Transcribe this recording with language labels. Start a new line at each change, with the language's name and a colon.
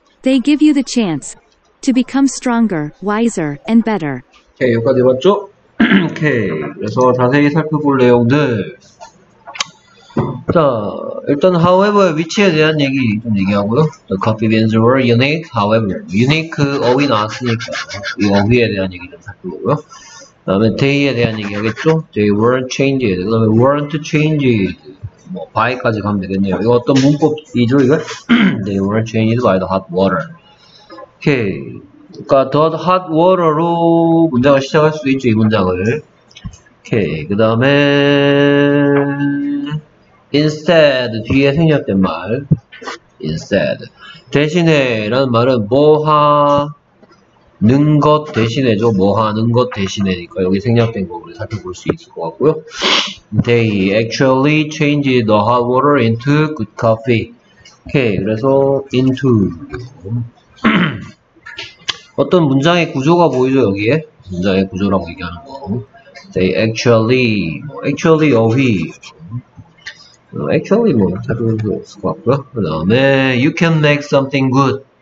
English: They give you the chance to become stronger, wiser, and better.
Korean: Okay, 여기까지 맞죠? Okay. 그래서 자세히 살펴볼 내용들. 자, 일단 however의 위치에 대한 얘기 좀 얘기하고요.
English: The coffee beans were unique, however.
Korean: unique 어휘 나왔으니까 이 어휘에 대한 얘기 좀 살펴보고요. 그다음에 they에 대한 얘기 하겠죠.
English: They weren't changed.
Korean: 그다음에 weren't changed. 뭐 by까지 가면 되겠네요. 이거 어떤 문법이죠, 이거?
English: They weren't changed by the hot water.
Korean: 오케이. 그러니까 the hot water로 문장을 시작할 수도 있죠, 이 문장을. 오케이. 그다음에 Instead, 뒤에 생략된 말. Instead. 대신에라는 말은 뭐 하는 것 대신에죠. 뭐 하는 것 대신에니까 여기 생략된 거 우리 살펴볼 수 있을 것 같고요.
English: They actually changed the hot water into good coffee.
Korean: 오케이. 그래서 into. 어떤 문장의 구조가 보이죠, 여기에? 문장의 구조라고 얘기하는 거. They actually 어휘. Actually, 뭐, 다른 거 없을 것 같고요. 그 다음에,
English: you can make something good.